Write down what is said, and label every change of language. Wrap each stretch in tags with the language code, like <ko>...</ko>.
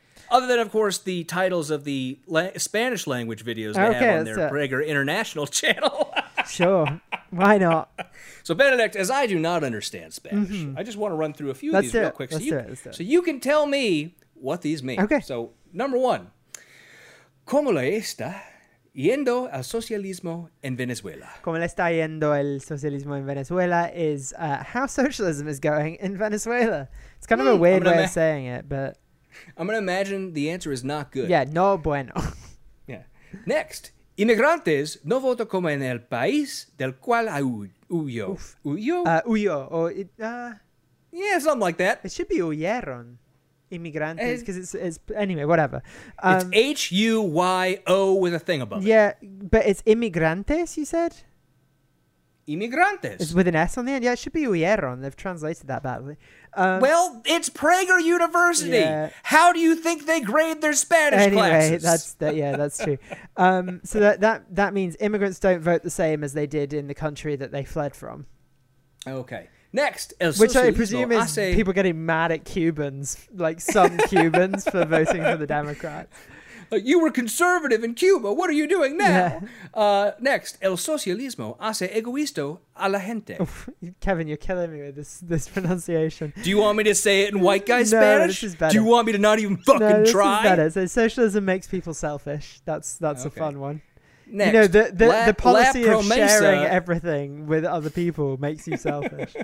<en>Other than, of course, the titles of the Spanish language videos they have on their Prager International channel. Sure. Why not? So, Benedict, as I do not understand Spanish, mm-hmm. I just want to run through a few Let's of these real quick. So you can tell me what these mean. Okay.</en> <es>So, number one, ¿cómo le está yendo al socialismo en Venezuela? ¿Cómo le está yendo el socialismo en Venezuela?</es> <en>Is how socialism is going in Venezuela. It's kind of a weird way of saying it, but... I'm going to imagine the answer is not good. Yeah,</en> <es>no bueno.</es> <en>Yeah. Next.</en> <es>Inmigrantes no voto como en el país del cual huyo. Huyo? Huyo.</es> <en>Yeah, something like that. It should be huyeron. Inmigrantes, because it's... Anyway, whatever. It's H-U-Y-O with a thing above it. Yeah, but it's inmigrantes, you said?</en> <es>Inmigrantes.</es> <en>It's with an S on the end? Yeah, it should be huyeron. They've translated that badly. Well, it's Prager University. Yeah. How do you think they grade their Spanish anyway, classes? That's true. So that means immigrants don't vote the same as they did in the country that they fled from. Okay. Next. Which I presume is people getting mad at Cubans, like some Cubans, for voting for the Democrats. You were conservative in Cuba. What are you doing now? Yeah.</en> <es>Next, el socialismo hace egoísta a la gente.</es> <en>Oof, Kevin, you're killing me with this pronunciation. Do you want me to say it in white guy no, Spanish? This is better. Do you want me to not even fucking try? No, this is better. So socialism makes people selfish. That's okay. A fun one. Next, you know, the policy of sharing everything with other people makes you selfish.</en>